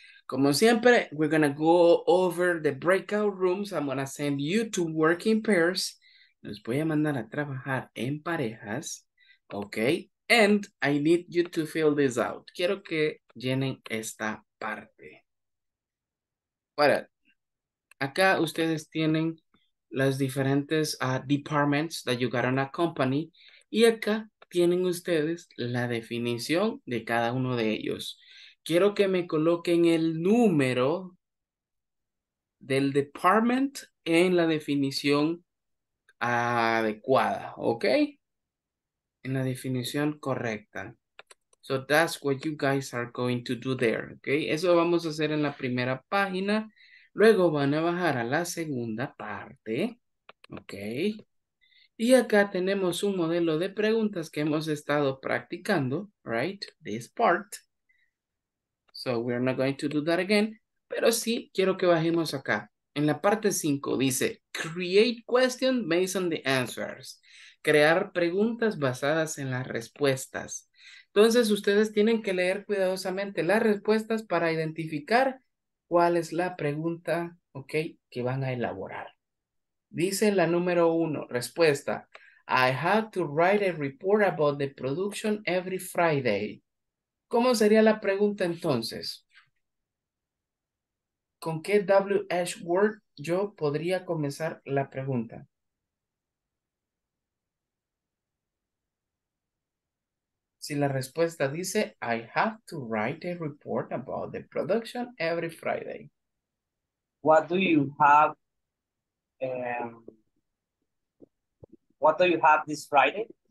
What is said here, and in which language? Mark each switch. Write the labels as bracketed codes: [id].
[es] Como siempre, [en] we're going to go over the breakout rooms. I'm going to send you to work in pairs. [es] Los voy a mandar a trabajar en parejas. [en] Okay, and I need you to fill this out. [es] Quiero que llenen esta parte. Bueno, acá ustedes tienen las diferentes [en] departments that you got in a company. [es] Y acá tienen ustedes la definición de cada uno de ellos. Quiero que me coloquen el número del department en la definición adecuada. Okay. En la definición correcta. [en] So that's what you guys are going to do there, okay? [es] Eso vamos a hacer en la primera página. Luego van a bajar a la segunda parte, okay? Y acá tenemos un modelo de preguntas que hemos estado practicando, right? [en] This part. So we're not going to do that again. [es] Pero sí, quiero que bajemos acá. En la parte 5 dice, [en] create questions based on the answers. [es] Crear preguntas basadas en las respuestas. Entonces, ustedes tienen que leer cuidadosamente las respuestas para identificar cuál es la pregunta, ok, que van a elaborar. Dice la número 1, respuesta. [en] I have to write a report about the production every Friday. [es] ¿Cómo sería la pregunta entonces? ¿Con qué WH word yo podría comenzar la pregunta? Si la respuesta dice, [en] I have to write a report about the production every Friday. What do you have? What do you have this Friday?